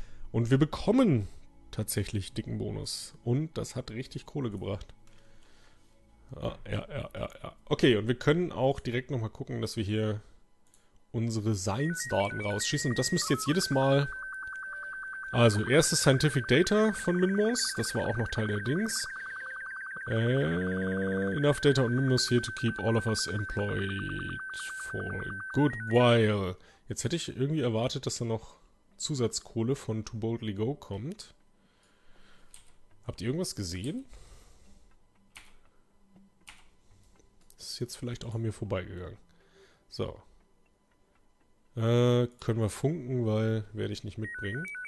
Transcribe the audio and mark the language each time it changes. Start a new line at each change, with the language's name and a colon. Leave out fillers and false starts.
German: Und wir bekommen tatsächlich dicken Bonus. Und das hat richtig Kohle gebracht. Ja. Okay, und wir können auch direkt nochmal gucken, dass wir hier unsere Science-Daten rausschießen. Und das müsste jetzt jedes Mal. Also, erstes Scientific Data von Minmus. Das war auch noch Teil der Dings.
English: Enough data on Minmus here to keep all of us employed for a good while.
German: Jetzt hätte ich irgendwie erwartet, dass da noch Zusatzkohle von To Boldly Go kommt. Habt ihr irgendwas gesehen? Das ist jetzt vielleicht auch an mir vorbeigegangen. So. Können wir funken, weil werde ich nicht mitbringen.